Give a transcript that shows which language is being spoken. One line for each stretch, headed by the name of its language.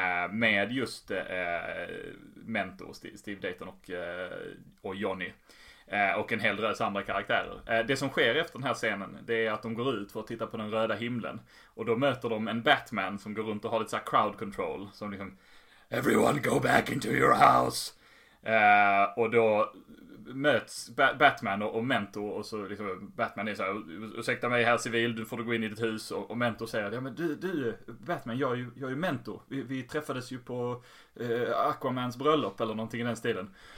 Swedish: Med just Mentor, Steve Dayton och Johnny. Och en hel rös andra karaktärer. Det som sker efter den här scenen, det är att de går ut för att titta på den röda himlen. Och då möter de en Batman som går runt och har lite så här crowd control. Som liksom,
English: everyone go back into your house!
Swedish: Och då möts Batman och Mentor, och så liksom Batman är så här, ursäkta mig här civil, du får gå in i ditt hus, och Mentor säger, ja men du Batman, jag är Mentor, vi träffades ju på Aquamans bröllop eller någonting i den stilen.